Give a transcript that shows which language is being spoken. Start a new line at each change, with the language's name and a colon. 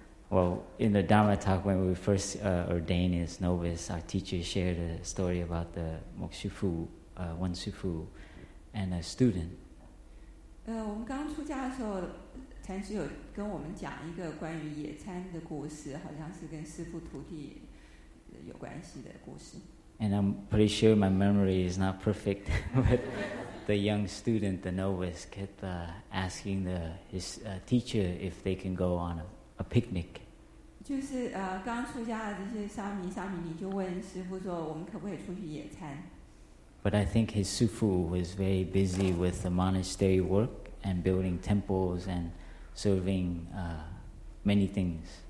English: Well, in the Dharma talk, when we first ordained as novice, our teacher shared a story about the Mokshifu, one Sifu, and a student.
Chinese: 我们刚出家的时候，禅师有跟我们讲一个关于野餐的故事，好像是跟师父徒弟有关系的故事。
English: And I'm pretty sure my memory is not perfect, but the young student, the novice, kept asking his teacher if they can go on a picnic.
Chinese: 就是刚出家的这些沙弥，沙弥尼就问师父说：“我们可不可以出去野餐？”
English: But I think his sufu was very busy with the monastery work and building temples and serving many things.